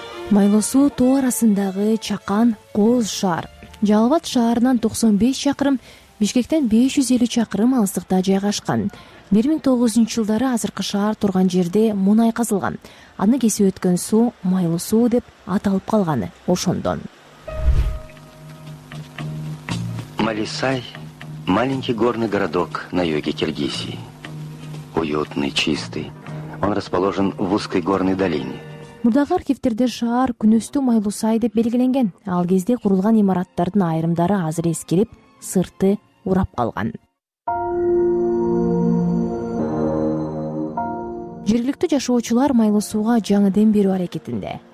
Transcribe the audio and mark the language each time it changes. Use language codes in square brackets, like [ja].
[ky] Майлуу суу тоо арасындагы чакан Кооз шаар Жалал Абад шаарынан 95 чакырым, Бишкектен 550 чакырым алыстыкта жайгашкан. 1900-жылдары азыркы шаар турган жерде мунай казылган. Аны кесип өткөн суу майлуу суу деп аталып калганы ошондон. [ru] Малисай – маленький горный городок на юге Киргизии. Уютный, чистый. Он расположен в узкой горной долине. [ky] Мурдагы архивтерде шаар күнөстүү майлуу сай деп белгиленген. Ал кезде курулган имараттардын айрымдары азыр эскирип, сырты урап калган. Жергиликтүү жашоочулар майлуу сууга жаңы дем берүү аракетинде.